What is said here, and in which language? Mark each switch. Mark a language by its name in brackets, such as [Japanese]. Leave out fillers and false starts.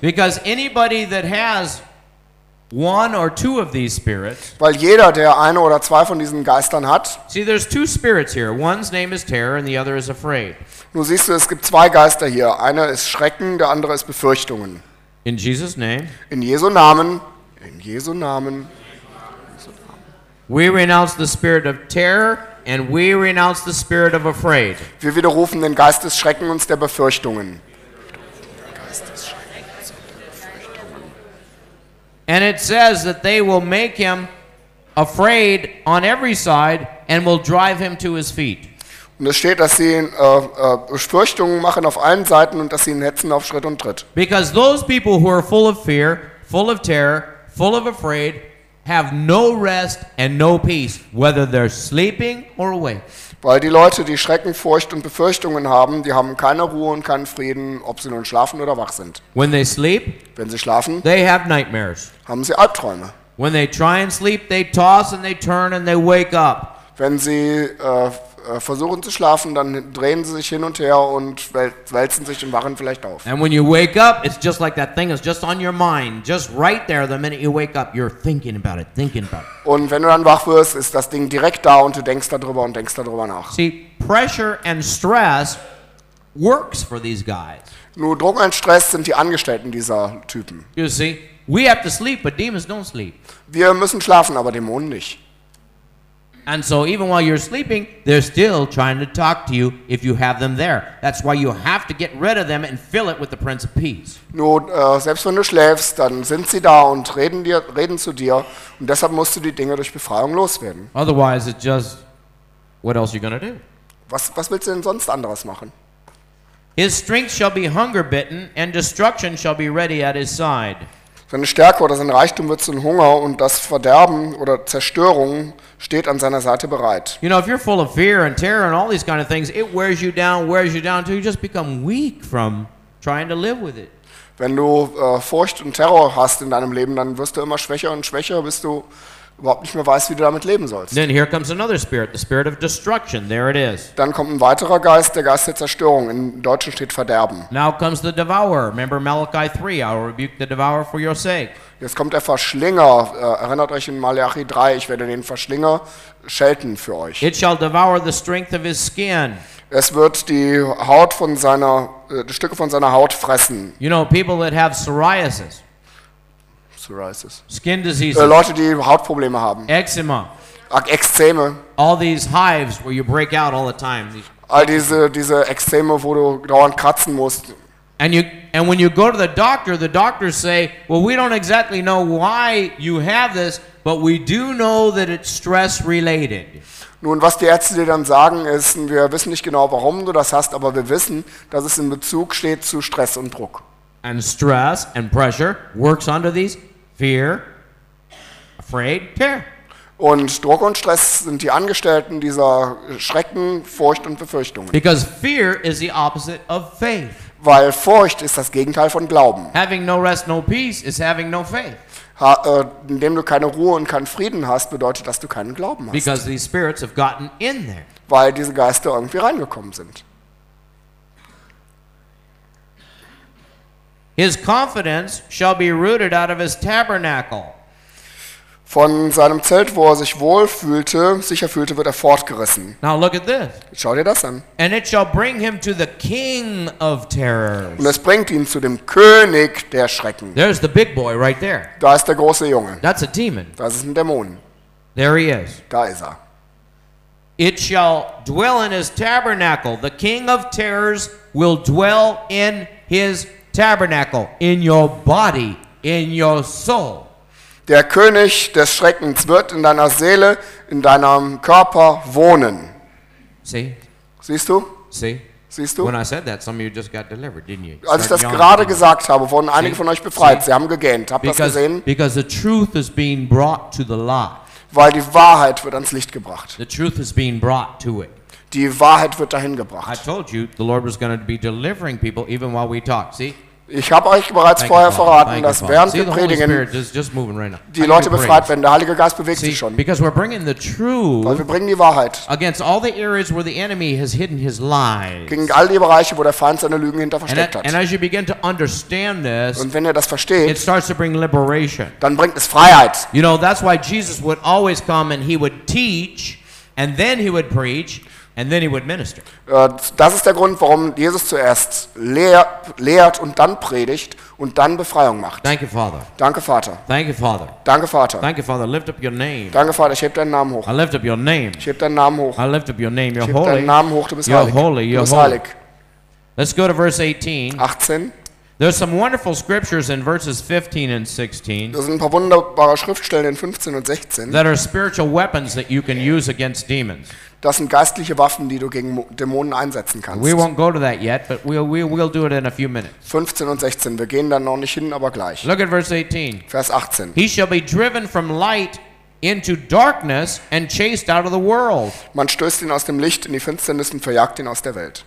[English] Because anybody that has one or two of these spirits. [German] Weil jeder, der eine oder zwei von diesen Geistern hat. [English] See, there's two spirits here. One's name is terror and the other is afraid. [German] Nun siehst du, es gibt zwei Geister hier. Einer ist Schrecken, der andere ist Befürchtungen. [English] In Jesus' name. [German] In Jesu Namen. In Jesu Namen. [English] We renounce the spirit of terror and we renounce the spirit of afraid. [German] Wir widerrufen den Geist des Schreckens und der Befürchtungen. [English] And it says that they will make him afraid on every side and will drive him to his feet. [German] Und es steht, dass sie ihn Befürchtungen machen auf allen Seiten und dass sie ihn hetzen auf Schritt und Tritt. [English] Because those people who are full of fear, full of terror, full of afraid have no rest and no peace, whether they're sleeping or awake. [German] Weil die Leute, die Schrecken, Furcht und Befürchtungen haben, die haben keine Ruhe und keinen Frieden, ob sie nun schlafen oder wach sind. [English] When they sleep, [German] wenn sie schlafen, [English] they have nightmares. [German] Haben sie Albträume. [English] When they try and sleep, they toss and they turn and they wake up. [German] Wenn sie versuchen zu schlafen, dann drehen sie sich hin und her und wälzen sich und wachen vielleicht auf. [English] And when you wake up, it's just like that thing is just on your mind, just right there. The minute you wake up, you're thinking about it, thinking about it. [German] Und wenn du dann wach wirst, ist das Ding direkt da und du denkst darüber und denkst darüber nach. [English] See, pressure and stress works for these guys. [German] Nur Druck und Stress sind die Angestellten dieser Typen. [English] You see, we have to sleep, but demons don't sleep. [German] Wir müssen schlafen, aber Dämonen nicht. [English] And so even while you're sleeping, they're still trying to talk to you if you have them there. That's why you have to get rid of them and fill it with the Prince of Peace. [German] Nur selbst wenn du schläfst, dann sind sie da und reden zu dir. Und deshalb musst du die Dinge durch Befreiung loswerden. [English] Otherwise, it's just, what else are you going to do? [German] Was willst du denn sonst anderes machen? [English] His strength shall be hunger bitten, and destruction shall be ready at his side. [German] Seine Stärke oder sein Reichtum wird zum Hunger und das Verderben oder Zerstörung steht an seiner Seite bereit. [English] You know, if you're full of fear and terror and all these kind of things, it wears you down until you just become weak from trying to live with it. [German] Wenn du Furcht und Terror hast in deinem Leben, dann wirst du immer schwächer und schwächer, bis du überhaupt nicht mehr weißt, wie du damit leben sollst. [English] Then here comes another spirit, the spirit of destruction. There it is. [German] Dann kommt ein weiterer Geist, der Geist der Zerstörung. In Deutschen steht Verderben. [English] Now comes the devourer. Remember Malachi 3, I will rebuke the devourer for your sake. [German] Jetzt kommt der Verschlinger. Erinnert euch in Malachi 3, ich werde den Verschlinger schelten für euch. [English] It shall devour the strength of his skin. [German] Es wird die Haut von seiner, die Stücke von seiner Haut fressen. [English] You know, people that have psoriasis. [German] Psoriasis. [English] Skin diseases. [German] Leute, die Hautprobleme haben. [English] Eczema. [German] Eczeme. [English] All these hives where you break out all the time. [German] All diese Eczeme, wo du dauernd kratzen musst. [English] And when you go to the doctors say, well, we don't exactly know why you have this, but we do know that it's stress related. [German] Nun, was die Ärzte dir dann sagen, ist, wir wissen nicht genau, warum du das hast, aber wir wissen, dass es in Bezug steht zu Stress und Druck. [English] And stress and pressure works under these fear, afraid, terror. [German] Und Druck und Stress sind die Angestellten dieser Schrecken, Furcht und Befürchtungen. [English] Because fear is the opposite of faith. [German] Weil Furcht ist das Gegenteil von Glauben. [English] Having no rest, no peace is having no faith. [German] Indem du keine Ruhe und keinen Frieden hast, bedeutet, dass du keinen Glauben hast. [English] Because these spirits have gotten in there. [German] Weil diese Geister irgendwie reingekommen sind. [English] His confidence shall be rooted out of his tabernacle. [German] Von seinem Zelt, wo er sich wohlfühlte, sicher fühlte, wird er fortgerissen. [English] Now look at this. [German] Schau dir das an. [English] And it shall bring him to the king of terrors. [German] Und es bringt ihn zu dem König der Schrecken. [English] There's the big boy right there. [German] Da ist der große Junge. [English] That's a demon. [German] Das ist ein Dämon. [English] There he is. [German] Da ist er. [English] It shall dwell in his tabernacle. The king of terrors will dwell in his tabernacle, in your body, in your soul. [German] Der König des Schreckens wird in deiner Seele, in deinem Körper wohnen. [English] See? [German] Siehst du? [English] See? [German] Siehst du? [English] When I said that, some of you just got delivered, didn't you? [German] Als ich das gerade gesagt habe, wurden einige von euch befreit. Sie haben gegähnt. Habt ihr das gesehen? [English] Because the truth is being brought to the light. [German] Weil die Wahrheit wird ans Licht gebracht. [English] The truth is being brought to it. [German] Die Wahrheit wird dahin gebracht. [English] I told you the Lord was going to be delivering people even while we talk. See? [German] Ich habe euch bereits vorher verraten, dass während wir predigen, die Leute befreit werden. Der Heilige Geist bewegt sich schon. [English] Because we're bringing the truth. [German] Weil wir bringen die Wahrheit. [English] Against all the areas where the enemy has hidden his lies. [German] Gegen all die Bereiche, wo der Feind seine Lügen hinter versteckt hat. [English] And as you begin to understand this, [German] und wenn ihr das versteht, [English] it starts to bring liberation. [German] Dann bringt es Freiheit. [English] You know, that's why Jesus would always come and he would teach and then he would preach. And then he would minister. [German] Das ist der Grund, warum Jesus zuerst lehrt und dann predigt und dann Befreiung macht. [English] Thank you, Father. [German] Danke, Vater. [English] Thank you, Father. [German] Danke, Vater. [English] Thank you, Father. Lift up your name. [German] Danke, Vater. Ich heb deinen Namen hoch. [English] I lift up your name. [German] Ich heb deinen Namen hoch. [English] I lift up your name. [German] Ich heb deinen Namen hoch. Du bist [English] you're [German] heilig. [English] Holy. You're [German] du bist [English] holy. [German] Heilig. [English] Let's go to verse 18. [German] 18. [English] There's some wonderful scriptures in verses 15 and 16. [German] Das sind ein paar wunderbare Schriftstellen in 15 und 16. [English] That are spiritual weapons that you can use against demons. [German] Das sind geistliche Waffen, die du gegen Dämonen einsetzen kannst. [English] We won't go to that yet, but we'll do it in a few minutes. [German] 15 und 16. Wir gehen dann noch nicht hin, aber gleich. [English] Look at verse 18. [German] Vers 18. [English] He shall be driven from light into darkness and chased out of the world. [German] Man stößt ihn aus dem Licht in die Finsternis und verjagt ihn aus der Welt.